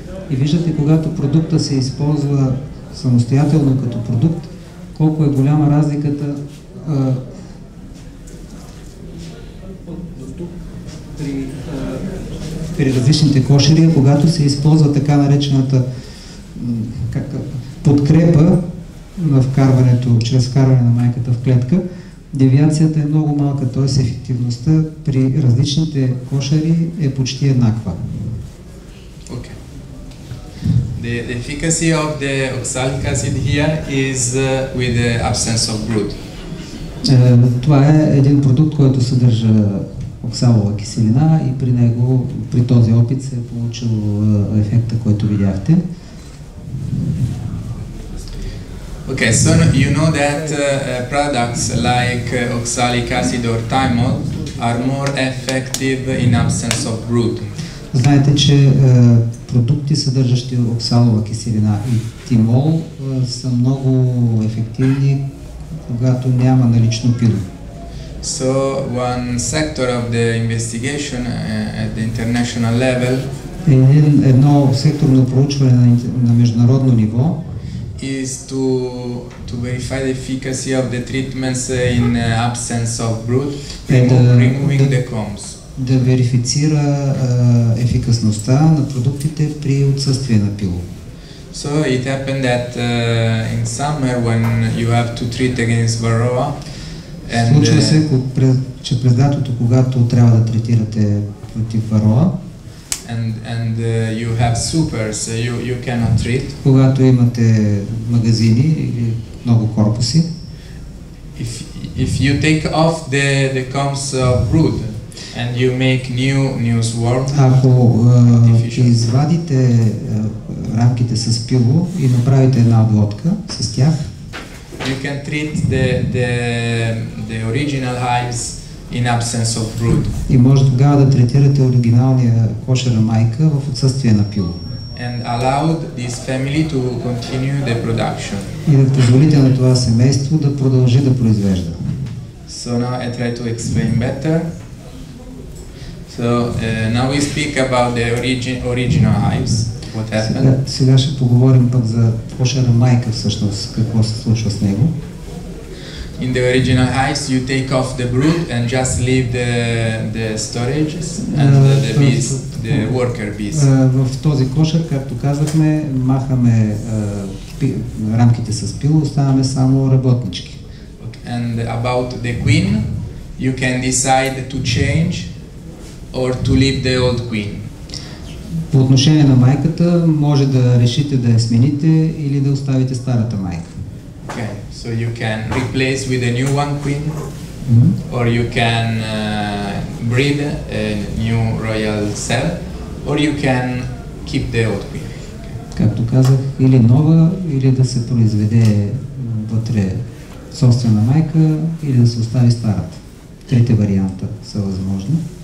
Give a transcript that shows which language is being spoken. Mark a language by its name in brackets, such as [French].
[Bulgarian] И виждате, когато продукта се използва самостоятелно като продукт, колко е голяма разликата при различните кошери, когато се използва така наречената подкрепа на вкарването, чрез вкарване на майката в клетка. Девиацията е много малка, т.е. ефективността при различните кошери е почти еднаква. Okay. [English] The efficacy of the oxalic acid here is with the absence of brood. [Bulgarian] Това е един продукт, който съдържа оксалова киселина и при него, при този опит се е получил ефекта, който видяхте. [English] Okay, so you know that products like oxalic acid or thymol are more effective in absence of root. [Bulgarian] Знаете, че продукти, съдържащи оксалова киселина и тимол, са много ефективни, когато няма налично пило. [English] So one sector of the investigation at the international level. [Bulgarian] Едно секторно проучване на международно ниво. [English] Is to verify the efficacy of the treatments in absence of brood, removing the combs. [Bulgarian] Да верифицира ефикасността на продуктите при отсъствие на пило. [English] So it happened that in summer when you have to treat against varroa. [Bulgarian] Случва се, че през лятото, когато трябва да третирате против варроа. [English] And you have supers, so you cannot treat. [Bulgarian] Когато имате магазини или много корпуси. [English] If you take off the combs of brood and you make new swarm. [Bulgarian] Ако извадите рамките с пило и направите една обводка с тях. [English] You can treat the original hives in absence of brood. [Bulgarian] И може тогава да третирате оригиналния кошер майка в отсъствие на пило. [English] And allowed this family to continue the production. [Bulgarian] И да позволите на това семейство да продължи да произвежда. [English] So now I try to explain better. So now we speak about the original hives. What happened? [Bulgarian] Сега ще поговорим пък за кошера майка всъщност, какво се случва с него. [English] In the original hives, you take off the brood and just leave the storages and the bees, the worker bees. [Bulgarian] В този кошер, както казахме, махаме рамките с пило, оставаме само работнички. Okay. [English] And about the queen, you can decide to change or to leave the old queen. [Bulgarian] По отношение на майката, може да решите да я смените или да оставите старата майка. [English] Okay, so you can replace with a new one queen, or you can breed a new royal cell, or you can keep the old queen. [Bulgarian] Както казах, или нова, или да се произведе вътре собствена майка, или да се остави старата. Трите варианта са възможни.